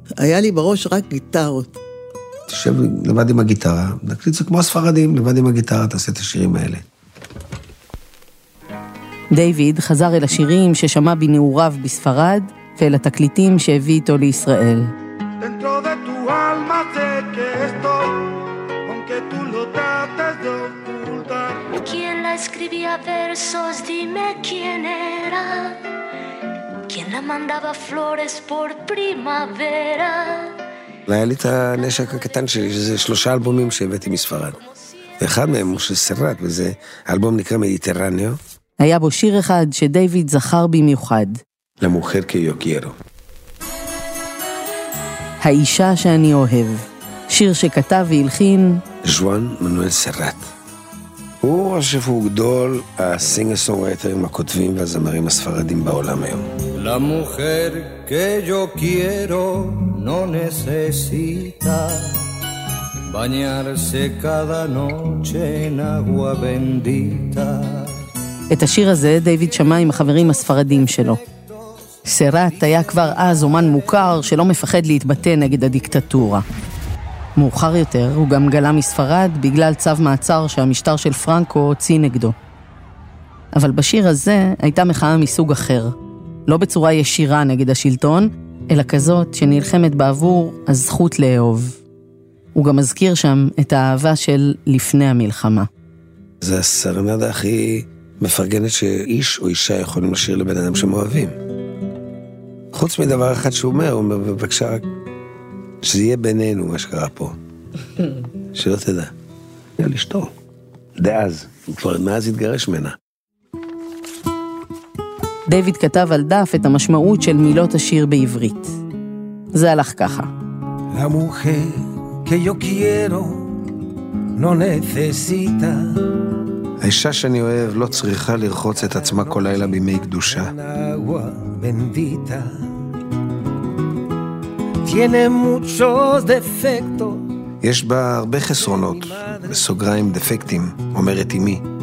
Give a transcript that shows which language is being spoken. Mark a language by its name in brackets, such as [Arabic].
[Hebrew] היה לי בראש רק גיטרות. תשב לבד עם הגיטרה. נקליט זה כמו הספרדים, לבד עם הגיטרה, תעשה את השירים האלה. דיוויד חזר אל השירים ששמע בנעוריו בספרד, ואל התקליטים שהביא איתו לישראל. [Spanish] Dentro de tu alma sé que estoy, aunque tú lo trates de ocultar. ¿Quién la escribía versos? Dime quién era. ¿Quién la mandaba flores por primavera? [Hebrew] היה לי את הנשק הקטן שלי, שזה שלושה אלבומים שהבאתי מספרד. ואחד מהם הוא שסרט, וזה אלבום נקרא מדיטרניו. היה בו שיר אחד שדיוויד זכר במיוחד. למוכר כיוקיירו. האישה שאני אוהב. שיר שכתב והלחין... ז'ואן מנואל סרט. הוא עכשיו הוא גדול הסינגר סונגרייטרים הכותבים והזמרים הספרדים בעולם היום. [Spanish] La mujer que yo quiero no necesita bañarse cada noche en agua bendita. [Hebrew] את השיר הזה דיוויד שמע עם החברים הספרדים שלו. סרט היה כבר אז אומן מוכר שלא מפחד להתבטא נגד הדיקטטורה. מאוחר יותר הוא גם גלה מספרד בגלל צו מעצר שהמשטר של פרנקו הוציא נגדו. אבל בשיר הזה הייתה מחאה מסוג אחר. לא בצורה ישירה נגד השלטון, אלא כזאת שנלחמת בעבור הזכות לאהוב. הוא גם מזכיר שם את האהבה של לפני המלחמה. זה הסרנדה הכי מפרגנת שאיש או אישה יכולים לשיר לבן אדם שהם אוהבים. חוץ מדבר אחד שהוא אומר, הוא אומר, בבקשה רק... שזה יהיה בינינו מה שקרה פה. שלא תדע. היה לשתור. דאז. כבר מאז התגרש ממנה. דיוויד כתב על דף את המשמעות של מילות השיר בעברית. זה הלך ככה. [Spanish] La mujer que yo quiero no necesita. [Hebrew] האישה שאני אוהב לא צריכה לרחוץ את עצמה כל לילה בימי קדושה. [Spanish] Agua bendita. Tiene muchos defectos. [Hebrew] יש בה הרבה חסרונות, בסוגריים דפקטים, אומרת אמי.